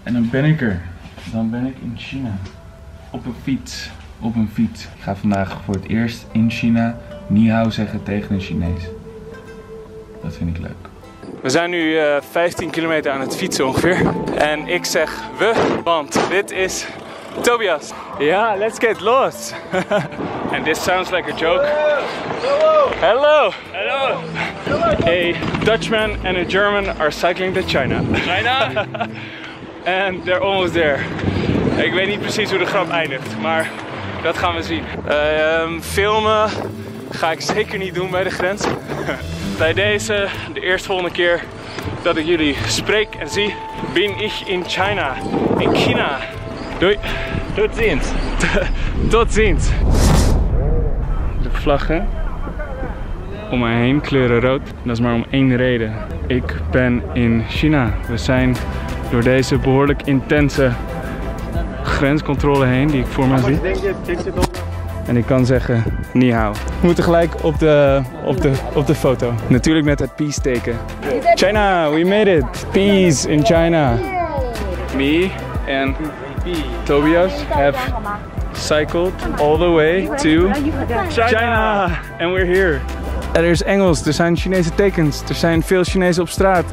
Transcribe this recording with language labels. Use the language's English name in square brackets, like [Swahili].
[Dutch] En dan ben ik er. Dan ben ik in China. Op een fiets. Op een fiets. Ik ga vandaag voor het eerst in China [Chinese] ni hao [Dutch] zeggen tegen een Chinees. Dat vind ik leuk. We zijn nu 15 kilometer aan het fietsen ongeveer. En ik zeg we, want dit is Tobias. [English] Ja, yeah, let's get lost. And this sounds like a joke. Hello. Hello. A Dutchman and a German are cycling to China. China. And they're almost there. [Dutch] Ik weet niet precies hoe de grap eindigt, maar dat gaan we zien. Filmen ga ik zeker niet doen bij de grens. Bij deze, de eerste volgende keer dat ik jullie spreek en zie, [German] bin ich in China. [Dutch] In China. Doei. Tot ziens. Tot ziens. De vlaggen om mij heen kleuren rood. Dat is maar om één reden. Ik ben in China. We zijn door deze behoorlijk intense grenscontrole heen die ik voor me zie. En ik kan zeggen, [Chinese] ni hao. [Dutch] We moeten gelijk op de foto. Natuurlijk met het peace teken. [English] China, we made it. Peace in China. Me and Tobias have cycled all the way to China. And we're here. [Dutch] Er is Engels, er zijn Chinese tekens, er zijn veel Chinezen op straat.